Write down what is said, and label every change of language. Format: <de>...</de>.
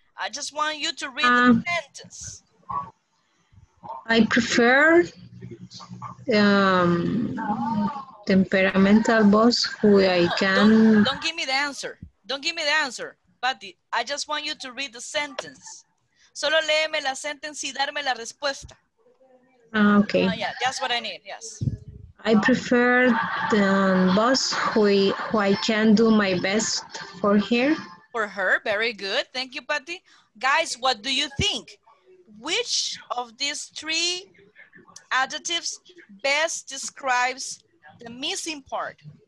<en>I just want you to read the sentence. I prefer temperamental boss who I can... Don't give me the answer. Don't give me the answer, Patty. I just want you to read the sentence.</en> <es>Solo léeme la sentence y darme la respuesta.</es> <en>Okay. That's what I need, yes. I prefer the boss who I can do my best for her. For her, very good. Thank you, Patty. Guys, what do you think? Which of these three adjectives best describes the missing part?</en>